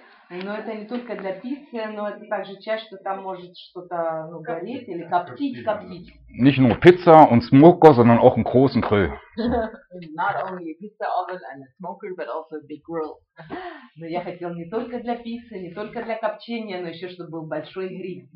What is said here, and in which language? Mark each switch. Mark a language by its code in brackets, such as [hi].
[ru] Но это не только для пиццы, но это также часть, что там может что-то ну, гореть или коптить. [de] Nicht nur Pizza und Smoker, sondern auch einen großen Grill. [en] Not only a pizza oven and a smoker, but also a big grill. [ru] Но я хотел не только для пиццы, не только для копчения, но еще чтобы был большой гриль.